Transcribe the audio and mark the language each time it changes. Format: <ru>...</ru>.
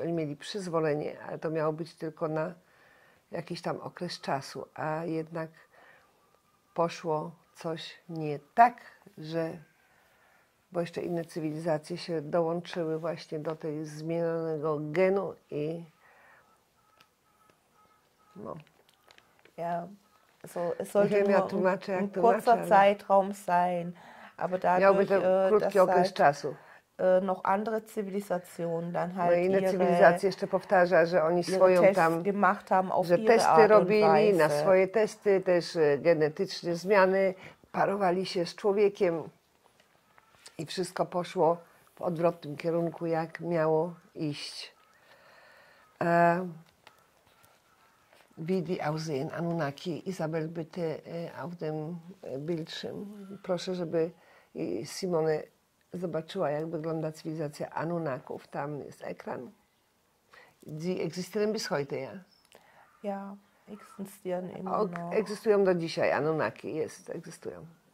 <pl>Oni mieli przyzwolenie, ale to miało być tylko na jakiś tam okres czasu, a jednak poszło coś nie tak, że bo jeszcze inne cywilizacje się dołączyły właśnie do tej zmienionego genu i no.</pl> <de>Ja, so es sollte nur ein kurzer Zeitraum sein, aber dadurch, dass noch andere Zivilisationen dann halt</de> <pl>inne Zywilizacje jeszcze powtarza, że oni swoją tam,</pl> <de>gemacht haben auf</de> <pl>że testy robili na swoje testy, też genetyczne zmiany, parowali się z człowiekiem. I wszystko poszło w odwrotnym kierunku, jak miało iść.</pl> <de>Wie die aussehen, Anunnaki, Isabel, bitte auf dem Bildschirm.</de> <pl>Proszę, żeby Simone zobaczyła, jak wygląda cywilizacja Anunnaków. Tam jest ekran.</pl> <de>Die existieren bis heute, ja? Ja, existieren immer noch.</de> <pl>Existują do dzisiaj, Anunnaki, jest, existują.</pl>